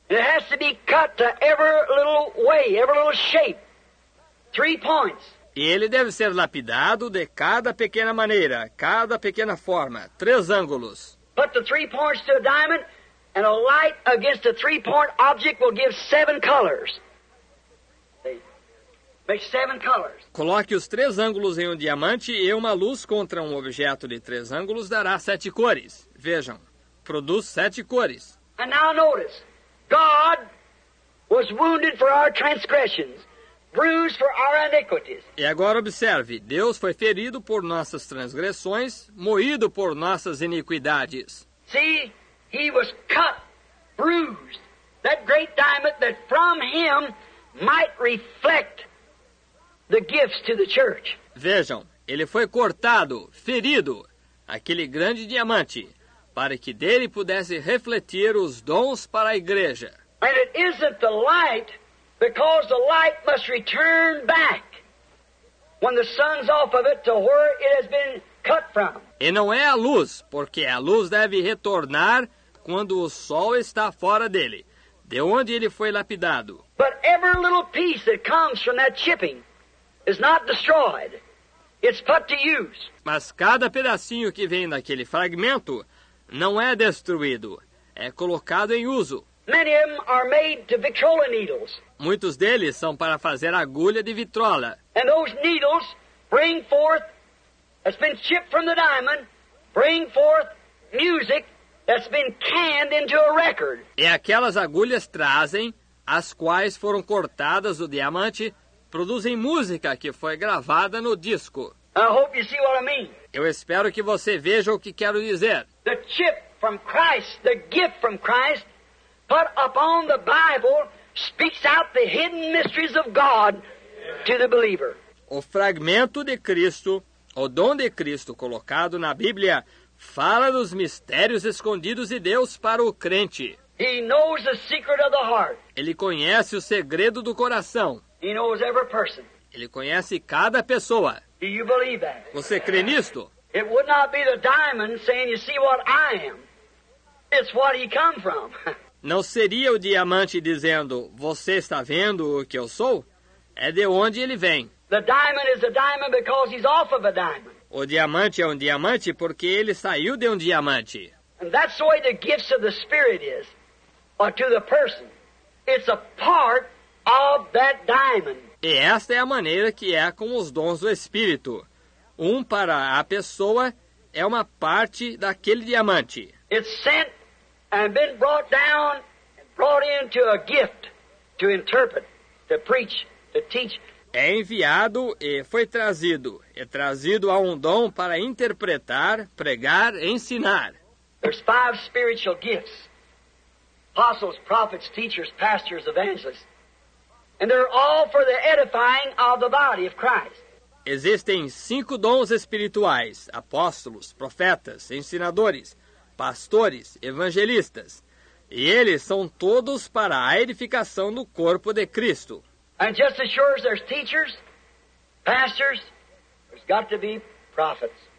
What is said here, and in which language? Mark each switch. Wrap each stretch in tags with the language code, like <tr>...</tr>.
<en>It has to be cut to every little way, every little shape. Three points.</en> <pt>E ele deve ser lapidado de cada pequena maneira, cada pequena forma, três ângulos.</pt> <en>Put the three points to a diamond, and a light against a three-point object will give seven colors. Make seven colors.</en> <pt>Coloque os três ângulos em um diamante e uma luz contra um objeto de três ângulos dará sete cores. Vejam, produz sete cores.</pt> <en>And now notice, God was wounded for our transgressions, bruised for our iniquities.</en> <pt>E agora observe, Deus foi ferido por nossas transgressões, moído por nossas iniquidades.</pt> <en>See, he was cut, bruised, that great diamond that from him might reflect the gifts to the church.</en> <pt>Vejam, ele foi cortado, ferido, aquele grande diamante, para que dele pudesse refletir os dons para a igreja.</pt> <en>And it isn't the light, because the light must return back when the sun's off of it to where it has been cut from.</en> <pt>E não é a luz, porque a luz deve retornar quando o sol está fora dele, de onde ele foi lapidado.</pt> <en>But every little piece that comes from that chipping is not destroyed. It's put to use.</en> <pt>Mas cada pedacinho que vem daquele fragmento não é destruído, é colocado em uso.</pt> <en>Many of them are made to Victrola needles.</en> <pt>Muitos deles são para fazer agulha de vitrola.</pt> <en>And those needles bring forth, that's been chipped from the diamond, bring forth music that's been canned into a record.</en> <pt>E aquelas agulhas trazem, as quais foram cortadas do diamante, produzem música que foi gravada no disco.</pt> <en>I hope you see what I mean.</en> <pt>Eu espero que você veja o que quero dizer.</pt> <en>The chip from Christ, the gift from Christ, put upon the Bible, speaks out the hidden mysteries of God to the believer.</en> <pt>O fragmento de Cristo, o dom de Cristo colocado na Bíblia, fala dos mistérios escondidos de Deus para o crente.</pt> <en>He knows the secret of the heart.</en> <pt>Ele conhece o segredo do coração.</pt> <en>He knows every person.</en> <pt>Ele conhece cada pessoa.</pt> <en>Do you believe that?</en> <pt>Você crê nisto?</pt> <en>It would not be the diamond saying, "You see what I am." It's what he come from.</en> <pt>Não seria o diamante dizendo, "Você está vendo o que eu sou?" É de onde ele vem.</pt> <en>The diamond is a diamond because he's off of a diamond.</en> <pt>O diamante é um diamante porque ele saiu de um diamante.</pt> <en>And that's the way the gifts of the Spirit is, or to the person. It's a part of that diamond.</en> <pt>E esta é a maneira que é com os dons do Espírito. Um para a pessoa é uma parte daquele diamante.</pt> <en>It's sent and been brought down and brought into a gift to interpret, to preach, to teach.</en> <pt>É enviado e foi trazido. É trazido a um dom para interpretar, pregar, ensinar.</pt> <en>There's five spiritual gifts. Apostles, prophets, teachers, pastors, evangelists. And they're all for the edifying of the body of Christ.</en> <pt>Existem cinco dons espirituais, apóstolos, profetas, ensinadores, pastores, evangelistas. E eles são todos para a edificação do corpo de Cristo.</pt> <en>And just as sure as there's teachers, pastors, there's got to be prophets.</en>